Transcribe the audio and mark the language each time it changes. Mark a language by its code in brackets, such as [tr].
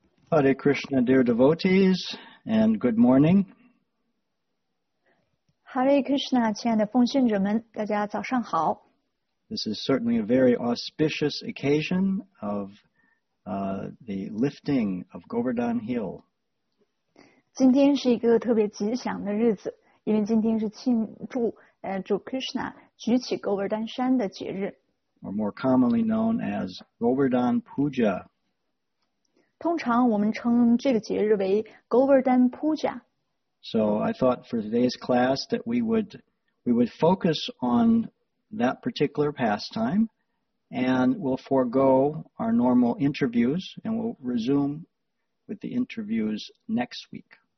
[en] Hare Krishna, dear devotees, and good morning. [zh] Hare Krishna, 亲爱的奉献者们, 大家早上好。 [en] This is certainly a very auspicious occasion of the lifting of Govardhan Hill. [zh] 今天是一个特别吉祥的日子, 因为今天是庆祝, 主 Krishna 举起Govardhan山的节日。 [en] Or more commonly known as Govardhan Puja. [zh] 通常我们称这个节日为 Govardhan Puja. [en] So I thought for today's class that we would focus on that particular pastime, and we'll forego our normal interviews, and we'll resume with the interviews next week.